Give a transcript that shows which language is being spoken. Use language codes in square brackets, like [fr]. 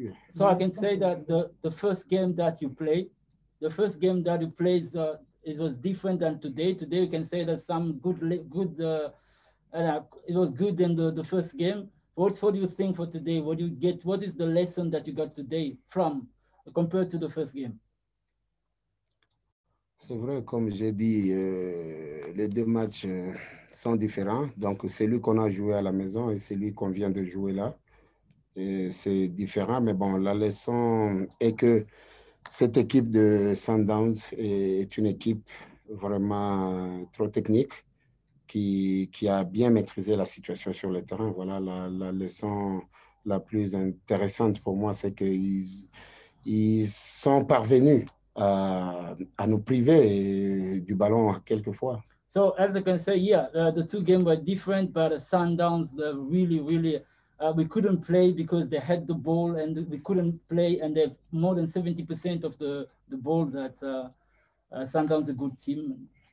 [en] So I can say that the first game that you played, the first game that you played, it was different than today. Today we can say that some good. It was good in the first game. What do you think for today? What do you get? What is the lesson that you got today from compared to the first game? [fr] C'est vrai, comme j'ai dit, les deux matchs sont différents. Donc celui qu'on a joué à la maison et celui qu'on vient de jouer là, et c'est différent. Mais bon, la leçon est que cette équipe de Sundowns est une équipe vraiment trop technique. Qui a bien maîtrisé la situation sur le terrain. Voilà la leçon la plus intéressante pour moi, c'est qu'ils sont parvenus à nous priver du ballon quelquefois. [en] So as I can say, yeah, the two games were different, but the Sundowns really we couldn't play because they had the ball and we couldn't play, and they have more than 70% of the ball. That Sundowns a good team.